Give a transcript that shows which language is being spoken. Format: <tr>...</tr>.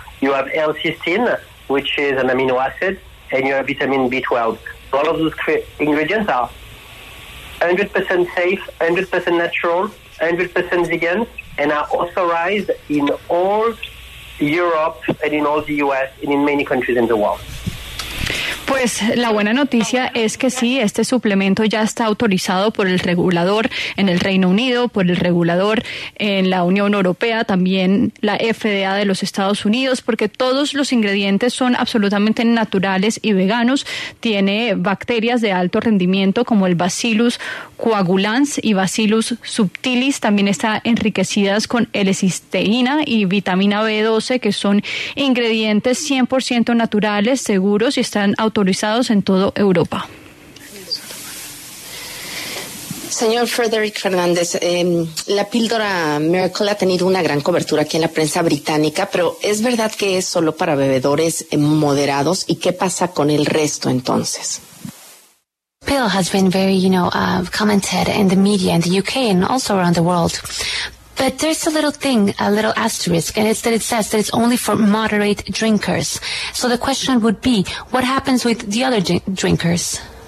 <en>You have L-cysteine, which is an amino acid, and you have vitamin B12. All of those ingredients are 100% safe, 100% natural, 100% vegan, and are authorized in all Europe and in all the US and in many countries in the world.</en> <es>Pues la buena noticia es que sí, este suplemento ya está autorizado por el regulador en el Reino Unido, por el regulador en la Unión Europea, también la FDA de los Estados Unidos, porque todos los ingredientes son absolutamente naturales y veganos. Tiene bacterias de alto rendimiento como el Bacillus coagulans y Bacillus subtilis. También está enriquecidas con L-cisteína y vitamina B12, que son ingredientes 100% naturales, seguros y están autorizados en todo Europa. Señor Frederick Fernández, la píldora Miracle ha tenido una gran cobertura aquí en la prensa británica, pero ¿es verdad que es solo para bebedores moderados? ¿Y qué pasa con el resto entonces?</es> <en>Pill has been very, you know, commented in the media in the UK and also around the world. But there's a little thing, a little asterisk, and it's that it says that it's only for moderate drinkers. So the question would be, what happens with the other drinkers?</en>